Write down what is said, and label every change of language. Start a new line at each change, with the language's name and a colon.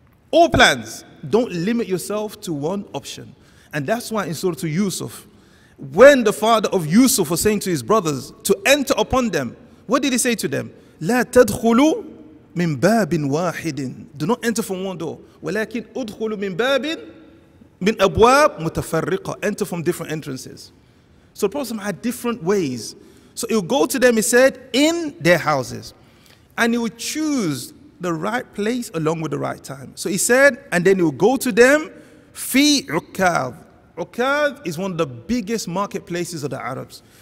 English: All plans, don't limit yourself to one option. And that's why in Surah Yusuf, when the father of Yusuf was saying to his brothers to enter upon them, what did he say to them?
Arabic: لا تدخلوا من باب واحد.
English: Do not enter from one door.
Arabic: ولكن ادخلوا من باب من أبواب متفرقة.
English: Enter from different entrances. So the Prophet had different ways. So he would go to them, he said, in their houses. And he would choose the right place along with the right time. So he said, and then he would go to them,
Arabic: في عكاظ.
English: عكاظ is one of the biggest marketplaces of the Arabs.